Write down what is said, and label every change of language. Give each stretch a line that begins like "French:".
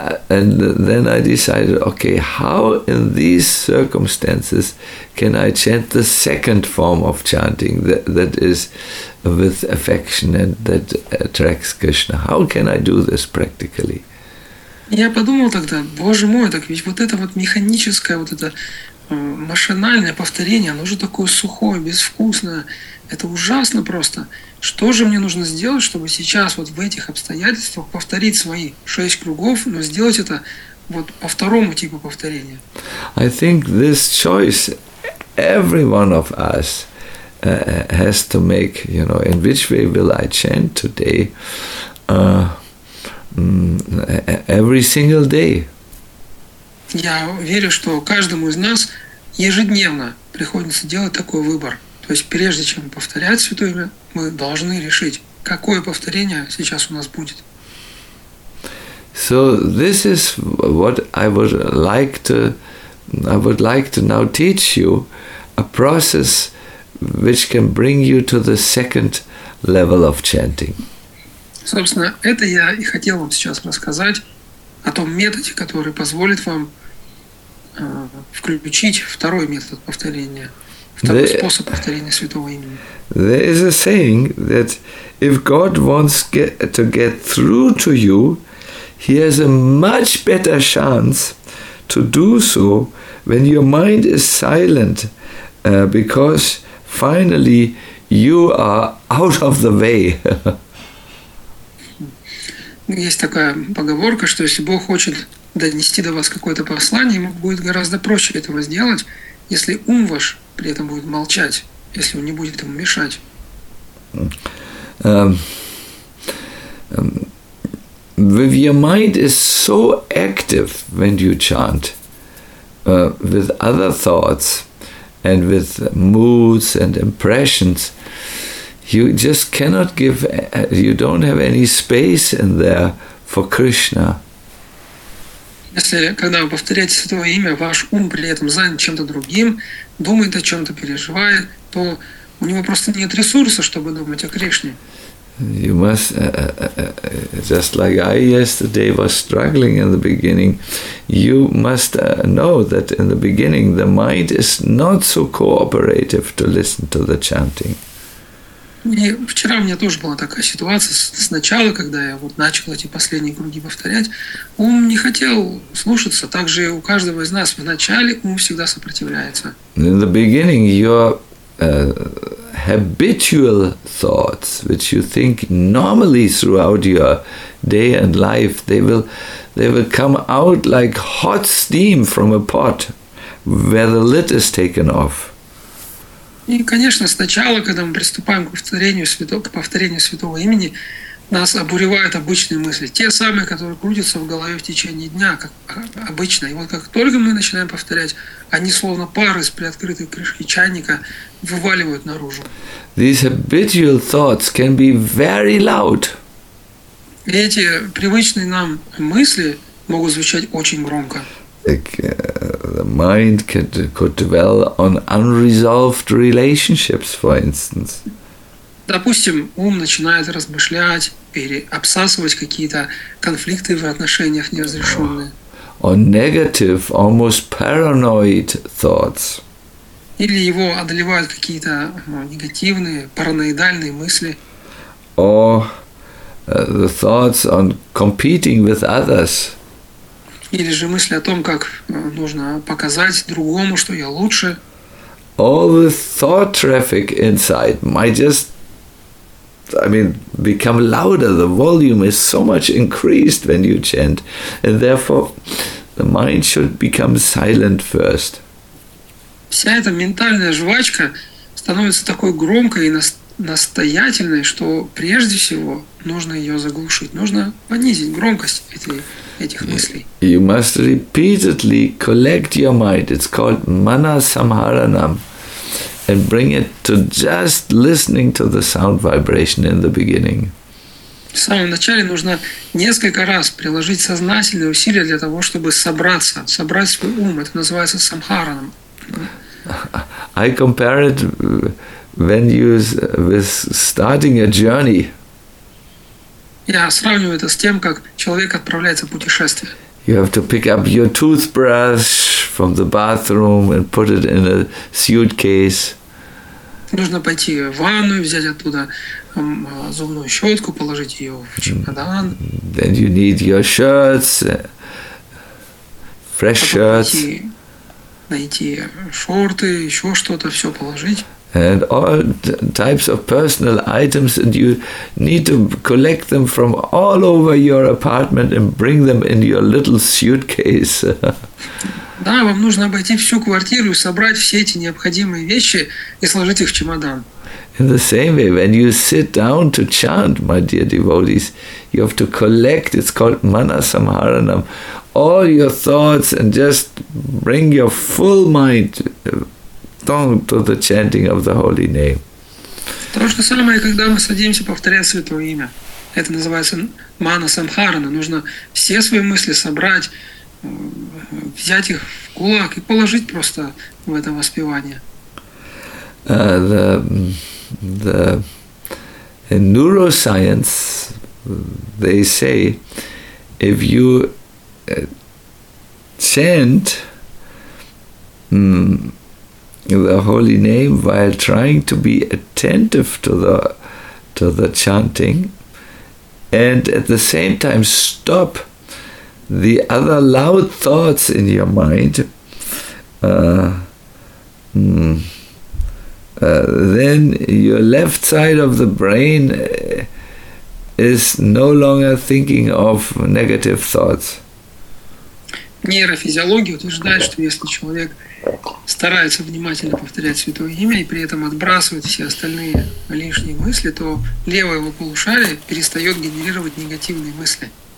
English: And then I decided, okay, how in these circumstances can I chant the second form of chanting, that is with affection and that attracts Krishna? How can I do this practically?
Russian: Я подумал тогда, боже мой, так ведь вот это вот механическое, вот это машинальное повторение, оно же такое сухое, безвкусное, это ужасно просто. Что же мне нужно сделать, чтобы сейчас вот в этих обстоятельствах повторить свои 6 кругов, но сделать это вот по второму типу повторения?
English: I think this choice every one of us has to make, you know, in which way will I chant today, every single day.
Russian: Я верю, что каждому из нас ежедневно приходится делать такой выбор. То есть, прежде чем повторять Святое Имя, мы должны решить, какое повторение сейчас у нас будет.
English: So this is what I would like to now teach you, a process which can bring you to the second level of chanting.
Russian: Собственно, это я и хотел вам сейчас рассказать о том методе, который позволит вам включить второй метод повторения, второй способ повторения Святого Имени.
English: There is a saying that if God wants to get through to you, he has a much better chance to do so when your mind is silent, because finally you are out of the way.
Russian: Есть такая поговорка, что если Бог хочет донести до вас какое-то послание, ему будет гораздо проще этого сделать, если ум ваш при этом будет молчать, если он не будет ему мешать.
English: If your mind is so active when you chant, with other thoughts and with moods and impressions, you just cannot give, you don't have any space in there for Krishna.
Russian: Если, когда вы повторяете Святое Имя, ваш ум при этом занят чем-то другим, думает о чем-то, переживает, то у него просто нет ресурса, чтобы думать о Кришне.
English: You must, just like I yesterday was struggling in the beginning, you must know that in the beginning the mind is not so cooperative to listen to the chanting.
Russian: И вчера у меня тоже была такая ситуация. Сначала, когда я вот начал эти последние круги повторять, ум не хотел слушаться. Также у каждого из нас вначале ум всегда сопротивляется.
English: In the beginning your habitual thoughts, which you think normally throughout your day and life, they will come out like hot steam from a pot where the lid is taken off.
Russian: И, конечно, сначала, когда мы приступаем к повторению Святого Имени, нас обуревают обычные мысли, те самые, которые крутятся в голове в течение дня, как обычно. И вот как только мы начинаем повторять, они словно пар из приоткрытой крышки чайника вываливают наружу.
English: These habitual thoughts can be very loud.
Russian: И эти привычные нам мысли могут звучать очень громко.
English: The mind could dwell on unresolved relationships, for instance.
Russian: Допустим, ум начинает размышлять или обсасывать какие-то конфликты в отношениях неразрешенные.
English: Or negative, almost paranoid thoughts.
Russian: Или его одолевают какие-то негативные, параноидальные мысли.
English: Or the thoughts on competing with others.
Russian: Или же мысли о том, как нужно показать другому, что я лучше.
English: All the thought traffic inside might just, I mean, become louder. The volume is so much increased when you chant. And therefore, the mind should become silent first.
Russian: Вся эта ментальная жвачка становится такой громкой и настоятельной, что прежде всего нужно ее заглушить, нужно понизить громкость этих мыслей.
English: You must repeatedly collect your mind. It's called manasamharanam. And bring it to just listening to the sound vibration in the beginning.
Russian: В самом начале нужно несколько раз приложить сознательные усилия для того, чтобы собраться, собрать свой ум. Это называется самхараном.
English: I compare it when you with starting a journey.
Russian: Я сравниваю это с тем, как человек отправляется в путешествие.
English: You have to pick up your toothbrush from the bathroom and put it in a suitcase.
Russian: Нужно пойти в ванную, взять оттуда зубную щетку, положить ее в чемодан.
English: Then you need your shirts, fresh shirts.
Russian: Найти шорты, еще что-то, все положить.
English: And all types of personal items, and you need to collect them from all over your apartment and bring them in your little suitcase.
Russian: Да, вам нужно обойти всю квартиру и собрать все эти необходимые вещи и сложить их в чемодан.
English: In the same way, when you sit down to chant, my dear devotees, you have to collect, it's called manasamharanam, all your thoughts and just bring your full mind to the chanting of the holy name.
Russian: То же самое, когда мы садимся повторять святое имя. Это называется манасамхарана. Нужно все свои мысли собрать, взять их в кулак и положить просто в это воспевание.
English: In neuroscience, they say, if you chant the holy name while trying to be attentive to the chanting, and at the same time stop the other loud thoughts in your mind, then your left side of the brain is no longer thinking of negative thoughts.
Russian: Нейрофизиология утверждает, что если человек старается внимательно повторять святое имя и при этом отбрасывает все остальные лишние мысли, то левое его полушарие перестает генерировать негативные мысли.